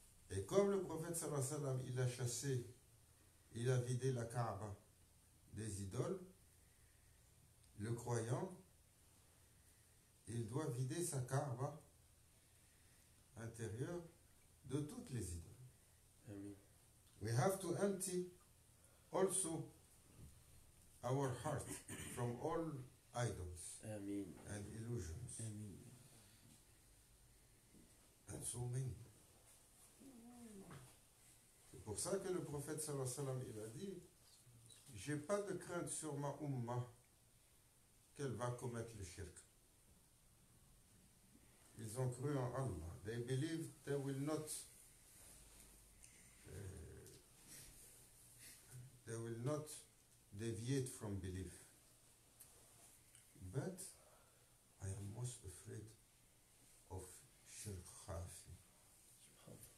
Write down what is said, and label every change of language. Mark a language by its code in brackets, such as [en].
[fr] Et comme le prophète sallallahu alayhi wa sallam, il a chassé, il a vidé la Kaaba des idoles, le croyant, il doit vider sa Kaaba intérieure de toutes les idoles. [en] Amen. We have to empty also our heart from all idols. Amen. And illusions. Amen. And so many. [fr] C'est pour ça que le prophète sallallahu alayhi wa sallam, il a dit, j'ai pas de crainte sur ma umma qu'elle va commettre le shirk. Ils ont cru en Allah. [en] They believe they will not deviate from belief. But I am most afraid of shirk khafi.